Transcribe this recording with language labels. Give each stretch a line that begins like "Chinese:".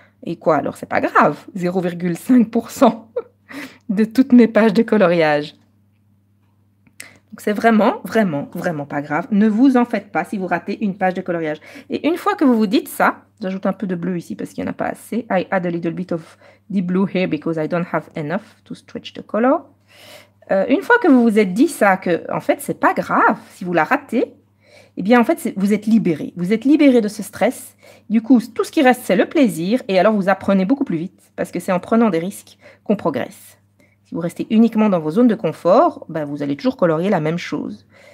French: Et quoi, alors c'est pas grave, 0,5% de toutes mes pages de coloriage. Donc c'est vraiment, vraiment, vraiment pas grave. Ne vous en faites pas si vous ratez une page de coloriage. Et une fois que vous vous dites ça, j'ajoute un peu de bleu ici parce qu'il n'y en a pas assez.
English: I add a little bit of the blue here because I don't have enough to stretch the color.
French: Une fois que vous vous êtes dit ça, que en fait, c'est pas grave si vous la ratez, Eh bien, en fait, vous êtes libéré. Vous êtes libéré de ce stress. Du coup, tout ce qui reste, c'est le plaisir. Et alors, vous apprenez beaucoup plus vite parce que c'est en prenant des risques qu'on progresse. Si vous restez uniquement dans vos zones de confort, ben, vous allez toujours colorier la même chose.